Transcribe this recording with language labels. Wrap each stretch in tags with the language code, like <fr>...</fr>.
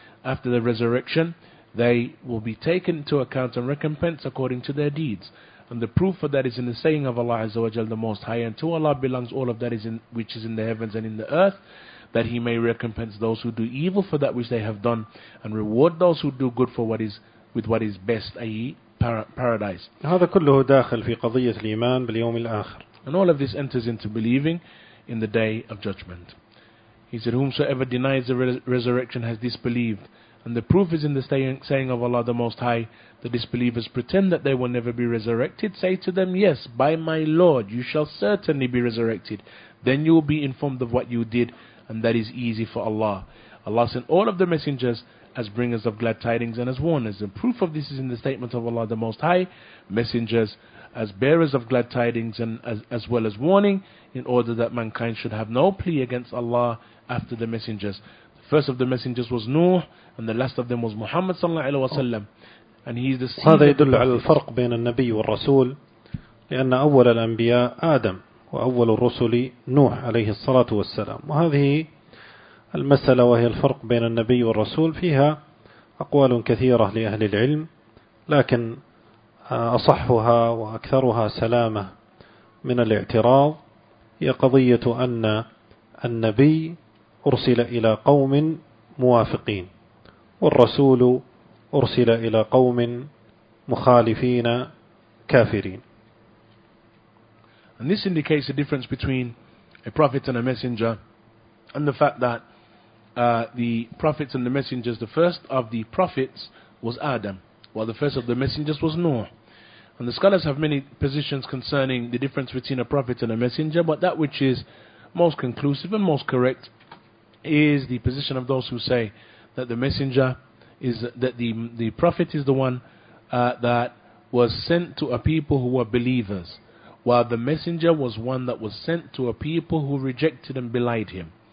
<en>After the resurrection, they will be taken to account and recompensed according to their deeds. And the proof for that is in the saying of Allah Azza wa Jal the Most High, and to Allah belongs all of that which is in the heavens and in the earth, that he may recompense those who do evil for that which they have done, and reward those who do good with what is best, i.e. paradise.</en> <ar>هذا كله داخل في قضية الإيمان باليوم الآخر.</ar> <en>And all of this enters into believing in the day of judgment. He said, whomsoever denies the resurrection has disbelieved. And the proof is in the saying of Allah the Most High, the disbelievers pretend that they will never be resurrected. Say to them, yes, by my Lord, you shall certainly be resurrected. Then you will be informed of what you did, and that is easy for Allah. Allah sent all of the messengers as bringers of glad tidings and as warners. And proof of this is in the statement of Allah the Most High, messengers as bearers of glad tidings and as well as warning, in order that mankind should have no plea against Allah after the messengers. The first of the messengers was Nuh, and the last of them was Muhammad sallallahu alaihi wasallam. And he is the</en> <ar>seed. هذا يدل على الفرق بين النبي والرسول، لأن أول الأنبياء آدم وأول الرسل نوح عليه الصلاة والسلام. وهذه المسألة وهي الفرق بين النبي والرسول فيها أقوال كثيرة لأهل العلم، لكن أصحها وأكثرها سلامة من الاعتراض هي قضية أن النبي أرسل إلى قوم موافقين، والرسول أرسل إلى قوم مخالفين كافرين.</ar> <en>And this indicates the difference between a prophet and a messenger, and the fact that the prophets and the messengers, the first of the prophets was Adam, while the first of the messengers was Noah. And the scholars have many positions concerning the difference between a prophet and a messenger, but that which is most conclusive and most correct is the position of those who say that the messenger is that the prophet is the one that was sent to a people who were believers, while the messenger was one that was sent to a people who rejected and belied him.</en>